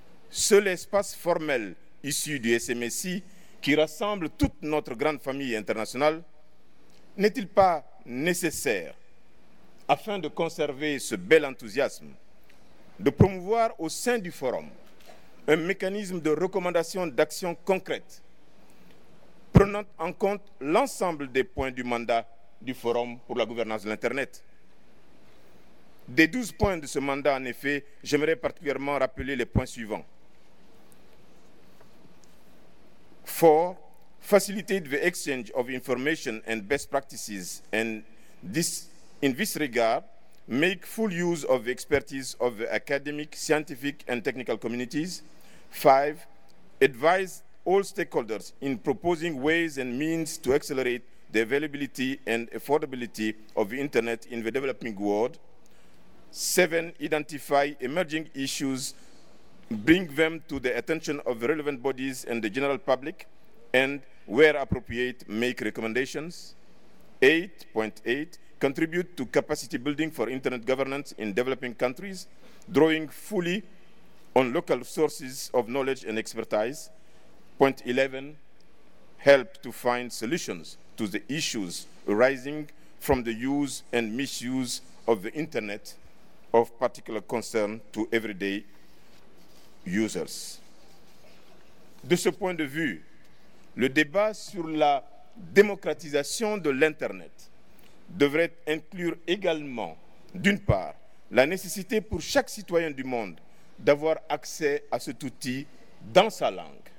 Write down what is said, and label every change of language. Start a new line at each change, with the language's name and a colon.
French: Seul espace formel issu du SMSI qui rassemble toute notre grande famille internationale n'est-il pas nécessaire afin de conserver ce bel enthousiasme, de promouvoir au sein du forum un mécanisme de recommandation d'action concrète, prenant en compte l'ensemble des points du mandat du Forum pour la gouvernance de l'Internet. Des 12 points de ce mandat, en effet, j'aimerais particulièrement rappeler les points suivants.
English: Four, faciliter the exchange of information and best practices, and this, in this regard, make full use of the expertise of the academic, scientific and technical communities. 5, advise all stakeholders in proposing ways and means to accelerate the availability and affordability of the Internet in the developing world. 7, identify emerging issues, bring them to the attention of the relevant bodies and the general public, and where appropriate, make recommendations. 8.8, contribute to capacity building for Internet governance in developing countries, drawing fully on local sources of knowledge and expertise. Point 11, help to find solutions to the issues arising from the use and misuse of the Internet of particular concern to everyday users.
French: De ce point de vue, le débat sur la démocratisation de l'Internet devrait inclure également, d'une part, la nécessité pour chaque citoyen du monde d'avoir accès à cet outil dans sa langue.